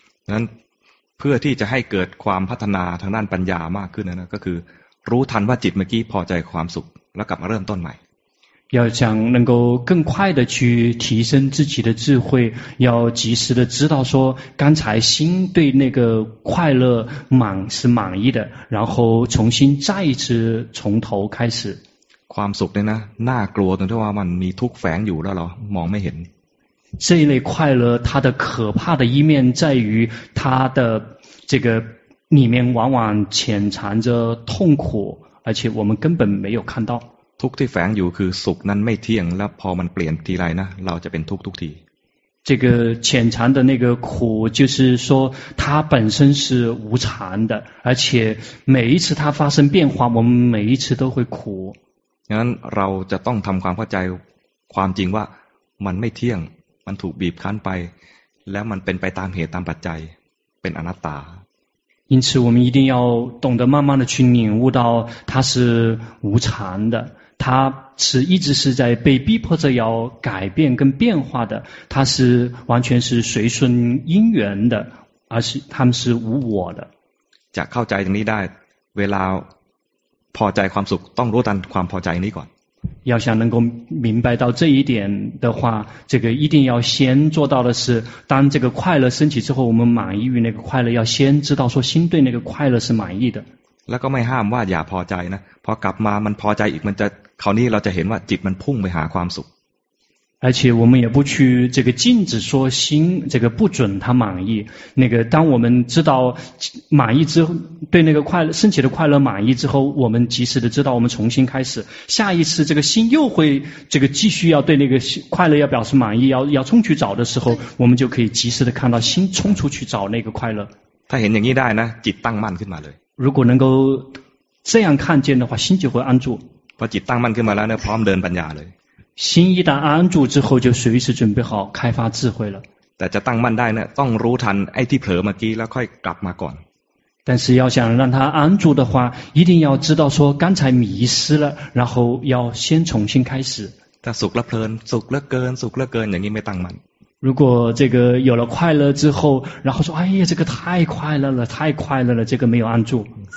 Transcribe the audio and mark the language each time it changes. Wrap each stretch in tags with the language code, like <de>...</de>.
<th>นั้นเพื่อที่จะให้เกิดความพัฒนาทางด้านปัญญามากขึ้นนะก็คือรู้ทันว่าจิตเมื่อกี้พอใจความสุขแล้วกลับมาเริ่มต้นใหม่</th> <zh>要想能够更快的去提升自己的智慧要及时的知道说刚才心对那个快乐满是满意的然后重新再一次从头开始</zh> <th>ความสุขเนี่ยนะน่ากลัวตรงที่ว่ามันมีทุกข์แฝงอยู่แล้วเหรอมองไม่เห็น</th> <zh>这一类快乐它的可怕的一面在于它的这个里面往往潜藏着痛苦而且我们根本没有看到</zh> <th>ทุกที่แฝงอยู่คือสุขนั้นไม่เที่ยงแล้วพอมันเปลี่ยนทีไรนะเราจะเป็นทุกทุกที</th> <zh>这个浅禅的那个苦，就是说它本身是无常的，而且每一次它发生变化，我们每一次都会苦。那我们就要</zh> <th>ทำความเข้าใจความจริงว่ามันไม่เที่ยงมันถูกบีบคั้นไปแล้วมันเป็นไปตามเหตุตามปัจจัยเป็นอนัตตา。</th> <zh>因此我们一定要懂得慢慢的去领悟到它是无常的，它是一直是在被逼迫着要改变跟变化的，它是完全是随顺因缘的，而是它们是无我的。</zh> <th>จะเข้าใจตรงนี้ได้เวลาพอใจความสุขต้องรู้ทันความพอใจนี้ก่อน。</th> <zh>要想能够明白到这一点的话，这个一定要先做到的是，当这个快乐升起之后，我们满意于那个快乐，要先知道说心对那个快乐是满意的。</zh> <th>แล้วก็ไม่ห้ามว่าอย่าพอใจนะพอกลับมามันพอใจอีกมันจะคราวนี้เราจะเห็นว่าจิตมันพุ่งไปหาความสุข</th> <zh>而且我们也不去这个禁止说心这个不准他满意那个当我们知道满意之后对那个快乐升起的快乐满意之后我们及时的知道我们重新开始下一次这个心又会这个继续要对那个快乐要表示满意要冲去找的时候我们就可以及时的看到心冲出去找那个快乐</zh> <th>他เห็นอย่างนี้ได้นะจิตตั้งมั่นขึ้นมาเลย</th> <zh>如果能够这样看见的话心就会安住</zh> <th>พอจิตตั้งมั่นขึ้นมาแล้วเนี่ยพร้อมเดินปัญญาเลย</th> <zh>心一旦安住之后就随时准备好开发智慧了</zh> <th>แต่จะตั้งมั่นได้เนี่ยต้องรู้ทันไอ้ที่เผลอเมื่อกี้แล้วค่อยกลับมาก่อน</th> <zh>但是要想让他安住的话一定要知道说刚才迷失了然后要先重新开始</zh> <th>ถ้าสุขแล้วเพลินสุขแล้วเกินสุขแล้วเกินอย่างนี้ไม่ตั้งมั่น</th> <zh>如果这个有了快乐之后然后说哎呀这个太快乐了太快乐了这个没有安住</zh>